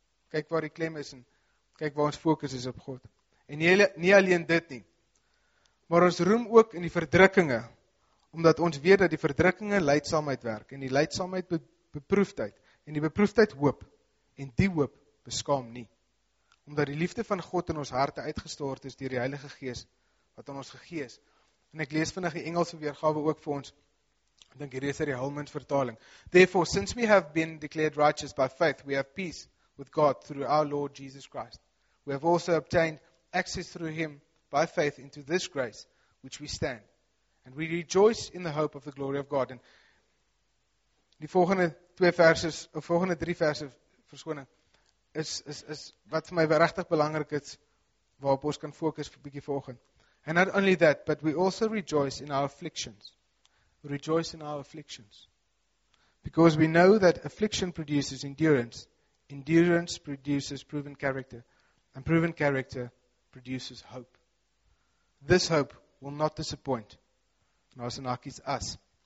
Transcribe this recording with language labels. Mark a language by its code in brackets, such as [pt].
[af] Kyk waar die klem is en kyk waar ons fokus is op God. En nie alleen dit nie, maar ons roem ook in die verdrukkinge, omdat ons weet dat die verdrukkinge lydsaamheid werk en die lydsaamheid beproefdheid en die beproefdheid hoop en die hoop beskaam nie. Omdat die liefde van God in ons harte uitgestort is deur die Heilige Gees wat aan ons gegee is. En ek lees vinnig die Engelse weergawe ook vir ons. Ek dink hierdie is uit die Hillman vertaling. [en] Therefore, since we have been declared righteous by faith, we have peace with God through our Lord Jesus Christ. We have also obtained access through him by faith into this grace which we stand. And we rejoice in the hope of the glory of God. [af] En die volgende twee verse, of volgende drie verse, verskoning, is wat vir my regtig belangrik is, waarop ons kan fokus vir bietjie vanoggend. [en] And not only that, but we also rejoice in our afflictions. Rejoice in our afflictions. Because we know that affliction produces endurance. Endurance produces proven character. And proven character produces hope. This hope will not disappoint. [af] Nou is in hakies us.